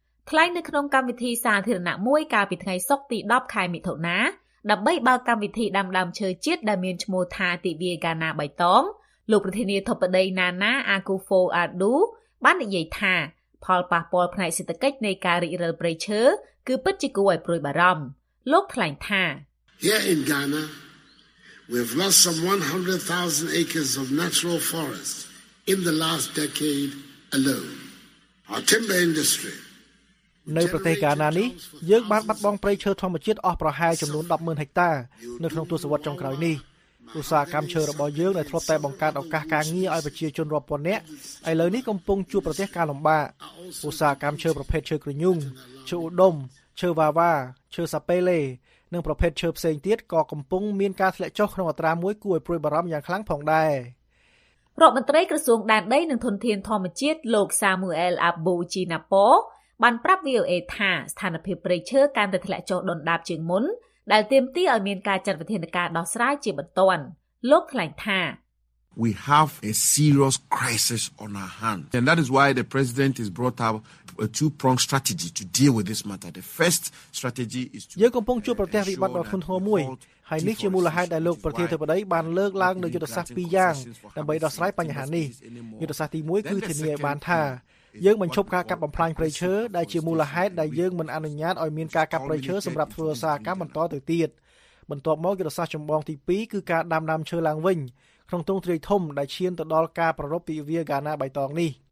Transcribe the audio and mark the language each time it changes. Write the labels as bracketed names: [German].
[Khmer] ថ្លែងនៅក្នុងកម្មវិធីសាធារណៈមួយកាលពីថ្ងៃសុក្រទី10ខែមិថុនាដើម្បីបើកកម្មវិធីដាំដើមឈើជាតិដែលមានឈ្មោះថាទិវាកាណាបៃតងលោកប្រធានាធិបតីណានាអាគូហ្វូអាដូបាននិយាយថាផលប៉ះពាល់ផ្នែកសេដ្ឋកិច្ចនៃការរិះរើព្រៃឈើគឺពិតជាគួរឲ្យព្រួយបារម្ភលោកថ្លែងថា [English] Here in Ghana we've lost some 100,000 acres of natural forest in the last decade alone. Our timber industry [Khmer] នៅប្រទេសកាណានីយើងបានបាត់បង់ព្រៃឈើធម្មជាតិអស់ប្រហែលចំនួន 100,000 ហិកតានៅក្នុងទសវត្សរ៍ចុងក្រោយនេះឧស្សាហកម្មឈើរបស់យើងដែលធ្លាប់តែបង្កើតឱកាសការងារឲ្យប្រជាជនរាប់ពាន់នាក់ឥឡូវនេះកំពុងជួបប្រទះការលំបាកឧស្សាហកម្មឈើប្រភេទឈើក្រញូងឈើឧដុំឈើវ៉ាវ៉ាឈើសាពេលេនិងប្រភេទឈើផ្សេងទៀតក៏កំពុងមានការធ្លាក់ចុះក្នុងអត្រាមួយគួរឲ្យព្រួយបារម្ភយ៉ាងខ្លាំងផងដែររ ដ្ឋមន្ត្រីក្រសួងដែនដីនិងធនធានធម្មជាតិលោកសាមូអែលអាប៊ូជីណាប៉ូបានប្រាប់ VOA ថាស្ថានភាពព្រៃឈើកាន់តែធ្លាក់ចុះដុនដាបជាងមុនដែលទាមទារឲ្យមានការចាត់វិធានការដោះស្រាយជាបន្ទាន់លោកថ្លែងថា [English] We have a serious crisis on our hands and that is why the president has brought up a two-pronged strategy to deal with this matter. The first strategy is to [Khmer] យើងកំពុងជួបប្រទេសវិបត្តិដ៏ធ្ងន់ធ្ងរមួយហើយនេះជាមូលហេតុដែលលោកប្រធានធិបតីបានលើកឡើងនូវយុទ្ធសាស្ត្រ2យ៉ាងដើម្បីដោះស្រាយបញ្ហានេះយុទ្ធសាស្ត្រទី1គឺធានាឲ្យបានថាយើងបញ្ឈប់ការកាប់បំផ្លាញព្រៃឈើដែលជាមូលហេតុដែលយើងមិនអនុញ្ញាតឲ្យមានការកាប់ព្រៃឈើសម្រាប់ធ្វើសកម្មបន្តទៅទៀតបន្ទាប់មកយុទ្ធសាស្ត្រចម្បងទី2គឺការដាំដើមឈើឡើងវិញក្នុងទ្រង់ទ្រាយធំដែលឈានទៅដល់ការប្ររព្ធពីវាកាណាបៃតងនេះ